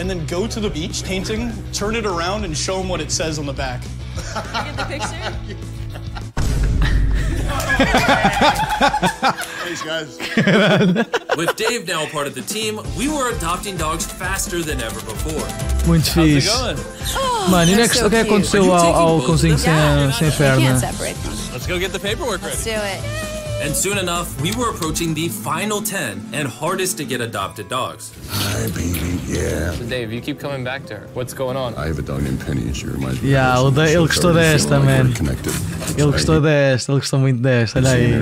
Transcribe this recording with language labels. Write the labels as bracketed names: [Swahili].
[English] And then go to the beach painting, turn it around and show them what it says on the back. Get the picture? Thanks, guys. With Dave now a part of the team, we were adopting dogs faster than ever before. [Portuguese] Muito fixe. [English] How's it going? [Portuguese] Mano, e o que aconteceu ao cãozinho sem perna? [English] Let's go get the paperwork ready. Let's do it. And soon enough, we were approaching the final 10 and hardest to get adopted dogs. Hi, baby, yeah. So Dave, you keep coming back to her. What's going on? I have a dog named Penny, and she reminds me. Yeah, of the [Portuguese] ele gostou desta, man. Ele gostou desta, ele gostou muito desta. Olha aí.